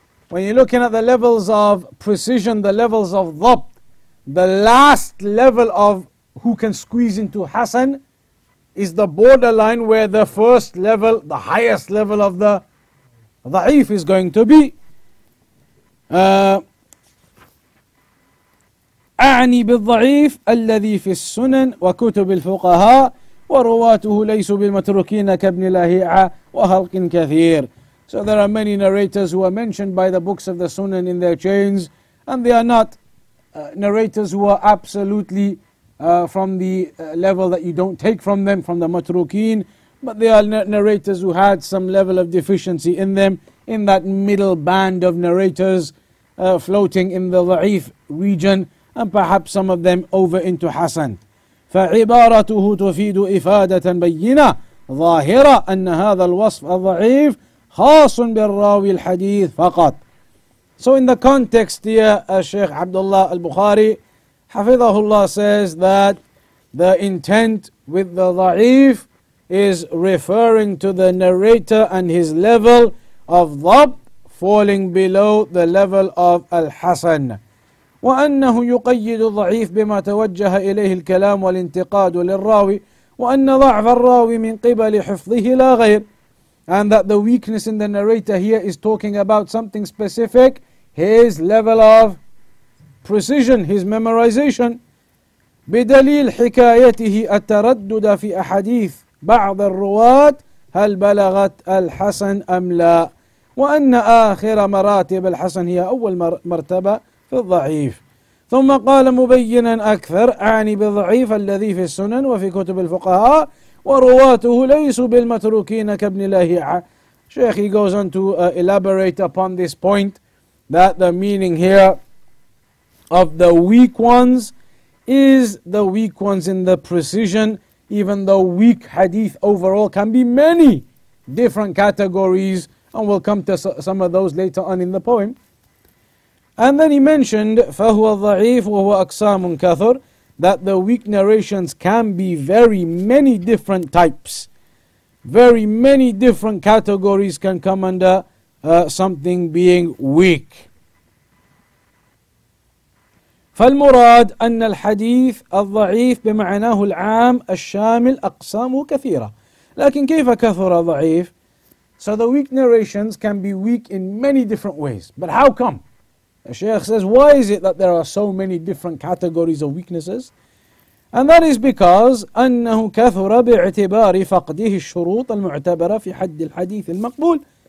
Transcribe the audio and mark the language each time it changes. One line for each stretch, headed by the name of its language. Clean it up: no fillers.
English: When you're looking at the levels of precision, the levels of dhabt, the last level of who can squeeze into Hasan is the borderline where the first level, the highest level of the ضعيف is going to be.
Arabic: أعني بالضعيف الذي في السنن وكتب الفقهاء ورواته ليسوا بالمتروكين كابن لاهيعة وخلق كثير.
English: So there are many narrators who are mentioned by the books of the Sunan in their chains, and they are not narrators who are absolutely from the level that you don't take from them, from the Matrukin, but they are narrators who had some level of deficiency in them, in that middle band of narrators floating in the Dha'if region, and perhaps some of them over into Hasan.
Arabic: فَعِبَارَتُهُ تُفِيدُ إِفَادَةً بَيِّنَةً ظَاهِرَةً أَنَّ هَذَا الْوَصْفَ الضَّعِيفِ خاص بالراوي الحديث فقط.
English: So in the context here, Shaykh Abdullah al-Bukhari, Hafidhahullah, says that the intent with the ضعيف is referring to the narrator and his level of ضب falling below the level of الحسن.
Arabic: وأنه يقيد الضعيف بما توجه إليه الكلام والانتقاد للراوي وأن ضعف الراوي من قبل حفظه لا غير.
English: And that the weakness in the narrator here is talking about something specific, his level of precision, his memorization.
Arabic: بدليل حكايته التردد في أحاديث بعض الرواة هل بلغت الحسن أم لا وأن آخر مراتب الحسن هي أول مرتبة في الضعيف. ثم قال مبينا أكثر, أعني بالضعيف الذي في السنن وفي كتب الفقهاء ورواته ليسوا بالمتروكين كابن لاهيعة.
English: Shaykh, he goes on to elaborate upon this point, that the meaning here of the weak ones is the weak ones in the precision, even though weak hadith overall can be many different categories, and we'll come to some of those later on in the poem. And then he mentioned,
Arabic: فَهُوَ الضَّعِيفُ وَهُوَ أَقْسَامٌ كَثُرٌ,
English: that the weak narrations can be very many different types. Very many different categories can come under something being weak.
Arabic: فالمراد أن الحديث الضعيف بمعناه العام الشامل أقسامه كثيرة. لكن كيف كثر ضعيف؟
English: So the weak narrations can be weak in many different ways. But how come? The Shaykh says, why is it that there are so many different categories of weaknesses? And that is because
Arabic: أنه كثر باعتبار فقده الشروط المعتبرة في حد الحديث المقبول.